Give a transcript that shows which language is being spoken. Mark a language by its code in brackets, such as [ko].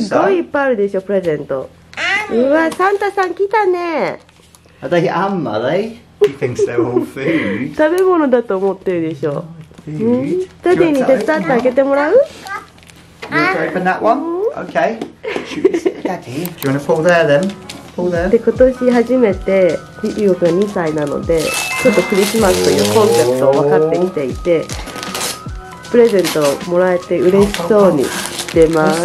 [ja] すごいいっぱいあるでしょ、プレゼント。うわ、サンタさん来たね。 [en] Are they ham? Are they? He thinks they're all food. [ja] 食べ物だと思ってるでしょ。ダディに手伝ってあげてもらう？ [en] You want to open that one? Okay. Daddy, do you want to pull there then? Pull there. [ja] で、今年初めてヒューゴくん2歳なので、ちょっとクリスマスというコンセプトを分かってきていて、プレゼントをもらえて嬉しそうにしてます。